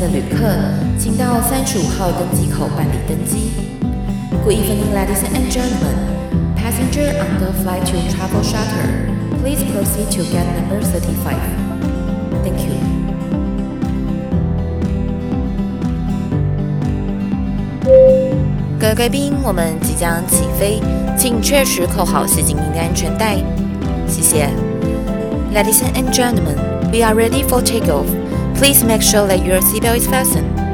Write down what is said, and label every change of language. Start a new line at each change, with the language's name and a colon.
Chinese: 客，请到35号登机口办理登机。
English: Good evening, ladies and gentlemen. Passenger on the flight to Travel Shuttle, please proceed to gate number 35. Thank you.
Chinese: 各位贵宾，我们即将起飞，请确实扣好系紧您的安全带，谢谢。
English: Ladies and gentlemen, we are ready for takeoff. Please make sure that your seatbelt is fastened.